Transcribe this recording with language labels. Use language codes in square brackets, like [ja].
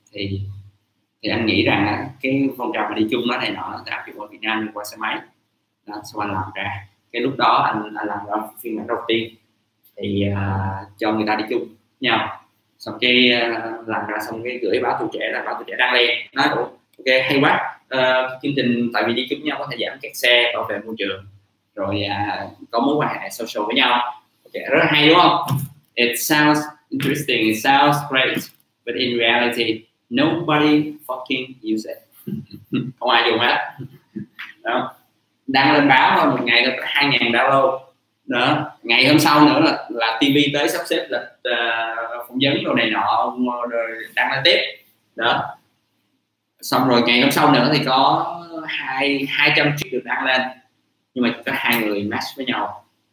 [vi] Thì anh nghĩ rằng cái phong trào mà đi chung đó này nọ, đặc biệt qua Việt Nam qua xe máy đó, xong anh làm ra cái lúc đó anh làm ra phiên bản đầu tiên thì cho người ta đi chung nhau. Xong cái làm ra xong cái gửi báo tuổi trẻ là báo tuổi trẻ đăng lên, nói ok hay quá, chương trình tại vì đi chung nhau có thể giảm kẹt xe, bảo vệ môi trường, rồi có mối quan hệ social với nhau, ok, rất hay đúng không? [en] It sounds interesting, it sounds great, but in reality nobody fucking use it. [vi] Không ai dùng hết đó. Đăng lên báo thôi, một ngày được 2.000 download đó, ngày hôm sau nữa là TV tới sắp xếp là phỏng vấn đồ này nọ rồi đăng lên tiếp đó. Xong rồi ngày hôm sau nữa thì có 200 triệu được đăng lên, nhưng mà chỉ có 2 người match với nhau.